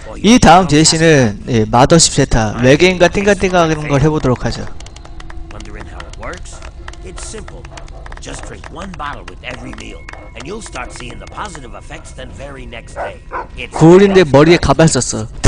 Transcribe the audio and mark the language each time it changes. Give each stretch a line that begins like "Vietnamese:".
Korean: 이 다음 DLC는 예, 마더십 세타 외계인과 띵가띵가 하는 걸 해보도록 하죠.
English: Wondering how it works? It's simple. Just drink one bottle with every meal, and you'll start seeing the positive effects the very next day.
Korean: 굴인데 머리에 가발 썼어.